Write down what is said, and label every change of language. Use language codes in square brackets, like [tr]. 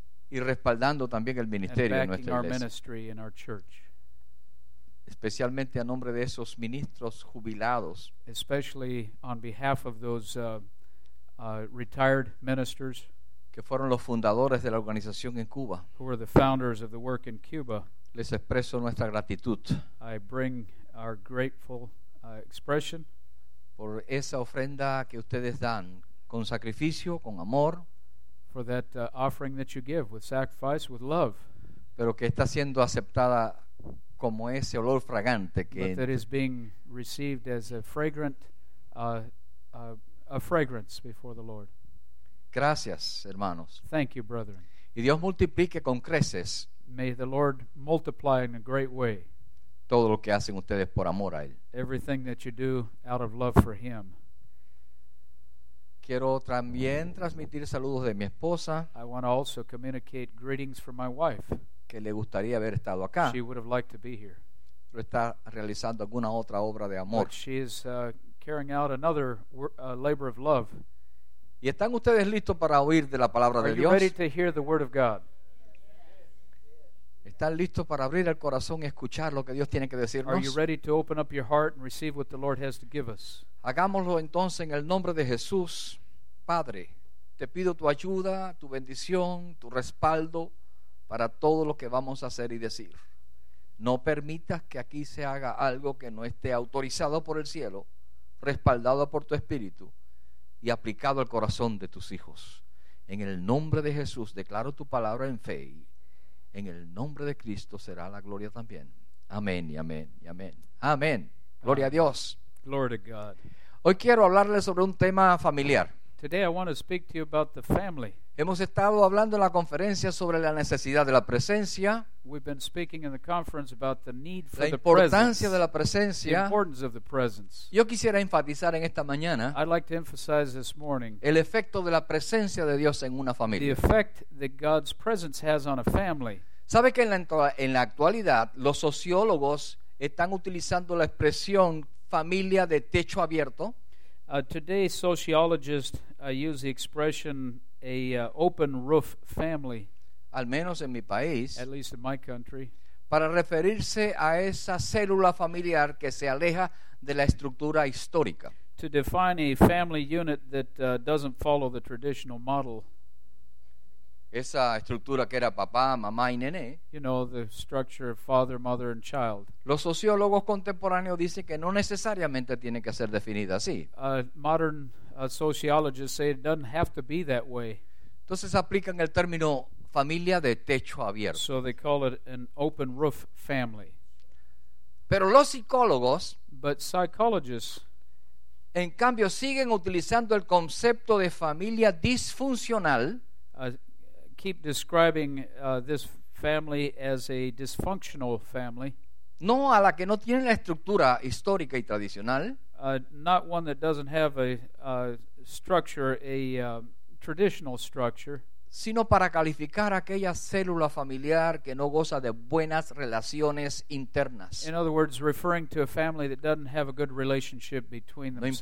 [es] Y respaldando también el ministerio de nuestra iglesia. [en] Ministry in our church. [es] Especialmente a nombre de esos ministros jubilados. [en] Especially on behalf of those retired ministers. [es] Que fueron los fundadores de la organización en Cuba. [en] Who were the founders of the work in Cuba. [es] Les expreso nuestra gratitud. [en] I bring our grateful expression. [es] Por esa ofrenda que ustedes dan con sacrificio, con amor. [en] For that offering that you give with sacrifice, with love. [es] Pero que está siendo aceptada como ese olor fragante que [en] that is being received as a fragrant a fragrance before the Lord. [es] Gracias, hermanos. [en] Thank you, brethren. [es] Y Dios multiplique con creces. [en] May the Lord multiply in a great way. [es] Todo lo que hacen ustedes por amor a él. [en] Everything that you do out of love for him. [es] Quiero también transmitir saludos de mi esposa. [en] I want to also communicate greetings from my wife. [es] Que le gustaría haber estado acá. [en] She would have liked to be here. [es] Pero está realizando alguna otra obra de amor. [en] But she is carrying out another labor of love. [es] ¿Y están ustedes listos para oír de la palabra [en] Are [es] de Dios? [en] Are you ready to hear the word of God? [es] ¿Están listos para abrir el corazón y escuchar lo que Dios tiene que decirnos? [en] Are you ready to open up your heart and receive what the Lord has to give us? [es] Hagámoslo entonces en el nombre de Jesús. Padre, te pido tu ayuda, tu bendición, tu respaldo para todo lo que vamos a hacer y decir. No permitas que aquí se haga algo que no esté autorizado por el cielo, respaldado por tu espíritu y aplicado al corazón de tus hijos. En el nombre de Jesús declaro tu palabra en fe y en el nombre de Cristo será la gloria también. Amén y amén y amén. Amén. Gloria a Dios. [en] Glory to God. [es] Hoy quiero hablarles sobre un tema familiar. [en] Today I want to speak to you about the family. [es] Hemos estado hablando en la conferencia sobre la necesidad de la presencia. [en] We've been speaking in the conference about the need for the presence. [es] La importancia de la presencia. [en] The importance of the presence. [es] Yo quisiera enfatizar en esta mañana. [en] I'd like to emphasize this morning. [es] El efecto de la presencia de Dios en una familia. [en] The effect that God's presence has on a family. [es] ¿Sabe que en la actualidad los sociólogos están utilizando la expresión familia de techo abierto? [en] Today sociologists use the expression open roof family, [es] al menos en mi país, [en] at least in my country, [es] para referirse a esa célula familiar que se aleja de la estructura histórica. [en] To define a family unit that doesn't follow the traditional model. [es] Esa estructura que era papá, mamá y nene. [en] You know, the structure of father, mother and child. [es] Los sociólogos contemporáneos dicen que no necesariamente tiene que ser definida así. [en] Sociologists say it doesn't have to be that way. [es] Entonces aplican el término familia de techo abierto. [en] So they call it an open roof family. [es] Pero los psicólogos, [en] but psychologists, [es] en cambio, siguen utilizando el concepto de familia disfuncional. [en] Keep describing this family as a dysfunctional family. [es] No a la que no tiene la estructura histórica y tradicional. [en] Not one that doesn't have a structure, a traditional structure. [es] sino para calificar aquella célula familiar que no goza de buenas relaciones internas. [en] In other words, referring to a family that doesn't have a good relationship between themselves.